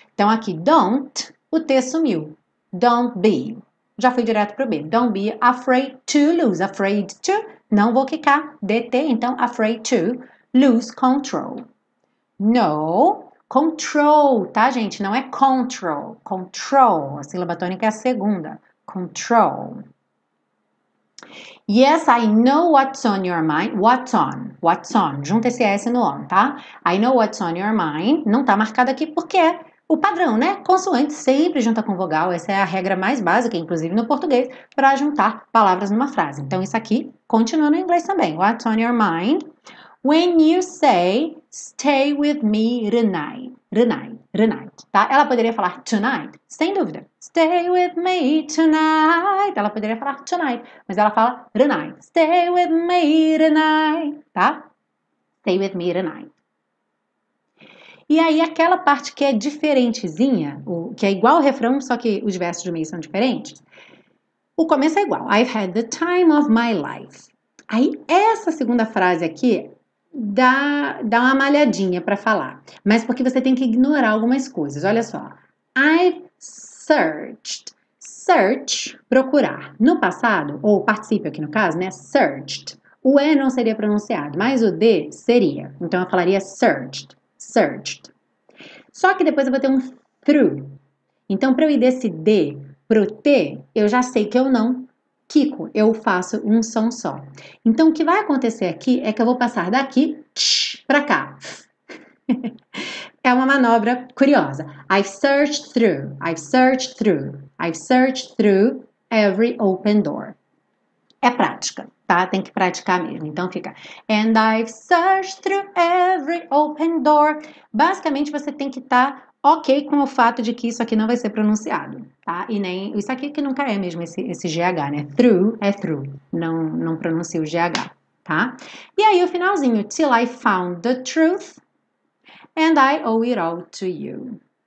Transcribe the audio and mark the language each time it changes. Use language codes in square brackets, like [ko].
[pt] Então aqui don't, o T sumiu. Don't be, já fui direto pro B. [en] Don't be afraid to lose, afraid to, [pt] não vou quicar, [en] DT, então afraid to lose control. [pt] No, control, tá, gente? Não é control. Control, a sílaba tônica é a segunda. [en] Control. Yes, I know what's on your mind. What's on? What's on? [pt] Junta esse S no on, tá? [en] I know what's on your mind. [pt] Não tá marcado aqui porque é o padrão, né? Consoante sempre junta com vogal. Essa é a regra mais básica, inclusive no português, para juntar palavras numa frase. Então, isso aqui continua no inglês também. [en] What's on your mind? When you say stay with me tonight, tá? [pt] Ela poderia falar tonight, sem dúvida. [en] Stay with me tonight. [pt] Ela poderia falar tonight, mas ela fala tonight. [en] Stay with me tonight, [pt] tá? Stay with me tonight. E aí, aquela parte que é diferentezinha, que é igual ao refrão, só que os versos do meio são diferentes. O começo é igual. [en] I've had the time of my life. [pt] Aí, essa segunda frase aqui. Dá uma malhadinha para falar, mas porque você tem que ignorar algumas coisas. Olha só. [en] I've searched. [pt] Search, procurar. No passado, ou participio aqui no caso, né? Searched. O E não seria pronunciado, mas o D seria. Então eu falaria searched. Searched. Só que depois eu vou ter um through. Então para eu ir desse D pro T, eu já sei que eu não. Kiko, eu faço um som só. Então, o que vai acontecer aqui é que eu vou passar daqui para cá. É uma manobra curiosa. [en] I've searched through, I've searched through every open door. [pt] É prática, tá? Tem que praticar mesmo. Então, fica. [en] And I've searched through every open door. [pt] Basicamente, você tem que estar. Ok, com o fato de que isso aqui não vai ser pronunciado, tá? E nem isso aqui que nunca é mesmo esse GH, né? Through é through, não pronuncia o GH, tá? E aí o finalzinho, [en] till I found the truth and I owe it all to you.